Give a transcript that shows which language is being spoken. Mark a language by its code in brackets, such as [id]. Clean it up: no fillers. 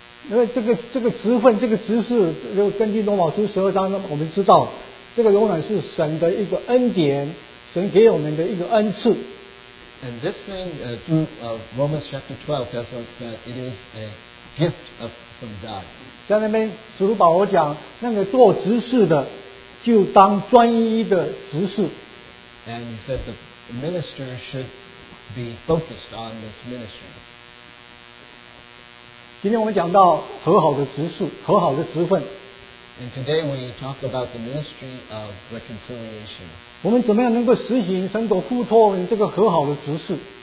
[zh] 因为这个职分，这个职事，就根据罗马书十二章，我们知道，这个永远是神的一个恩典，神给我们的一个恩赐。 [en] And this thing through Romans chapter 12 tells us that it is a gift of from God. [zh] 在那边，使徒保罗讲，那个做执事的，就当专一的执事。 [en] And he said the minister should be focused on this ministry. [zh] 今天我们讲到和好的执事，和好的职分。 [en] And today we talk about the ministry of reconciliation. [zh] 我们怎么样能够实行神所呼托我们这个和好的执事？